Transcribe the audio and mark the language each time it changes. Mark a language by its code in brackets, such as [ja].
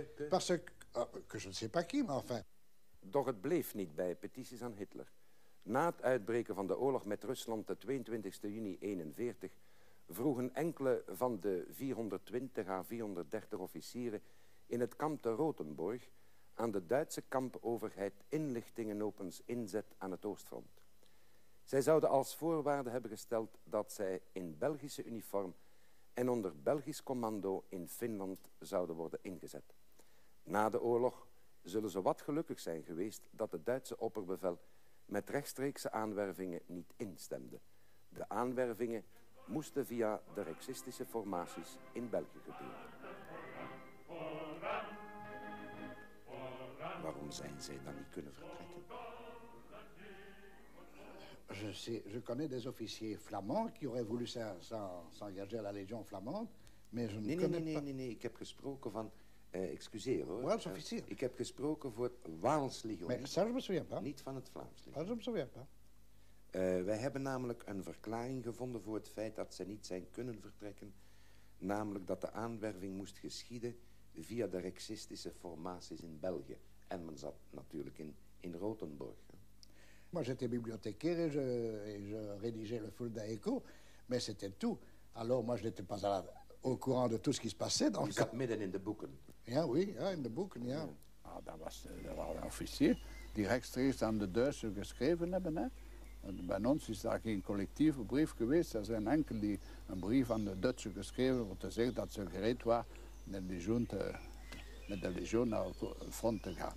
[fr] Parce que je ne sais pas qui, maar enfin... [nl] Doch het bleef niet bij petities aan Hitler. Na het uitbreken van de oorlog met Rusland de 22 juni 1941 vroegen enkele van de 420 à 430 officieren in het kamp de Rotenburg aan de Duitse kampoverheid inlichtingen opens inzet aan het oostfront. Zij zouden als voorwaarde hebben gesteld dat zij in Belgische uniform en onder Belgisch commando in Finland zouden worden ingezet. Na de oorlog zullen ze wat gelukkig zijn geweest dat het Duitse opperbevel met rechtstreekse aanwervingen niet instemde. De aanwervingen moesten via de rexistische formaties in België gebeuren. Waarom zijn zij dan niet kunnen vertrekken? [fr] Je sais, je connais des officiers flamands qui auraient voulu s'engager à la Légion flamande, mais je ne connais pas. [nl] Nee, ik heb gesproken van excuseer hoor. Waals officier. Ik heb gesproken voor het Waals legioen. [fr] Mais ça, je me souviens pas. [nl] Niet van het Vlaams legioen. [fr] Ça, je me souviens pas. [nl] Wij hebben namelijk een verklaring gevonden voor het feit dat ze niet zijn kunnen vertrekken. Namelijk dat de aanwerving moest geschieden via de rexistische formaties in België. En men zat natuurlijk in Rotenburg. [fr] Moi, j'étais bibliothécaire et je rédigeais le Fulda Echo. Mais c'était tout. Alors, moi, je n'étais pas à la... au courant de tout ce qui se passait. Donc... Il s'est [nl] midden in de boeken. Yeah, oui, yeah, in de boeken, ja. Yeah. Ah, dat was de officier die rechtstreeks aan de Duitsers geschreven hebben. Hè. Bij ons is daar geen collectieve brief geweest. Er zijn enkel die een brief aan de Duitsers geschreven om te zeggen dat ze gereed waren met de legioen naar het front te gaan.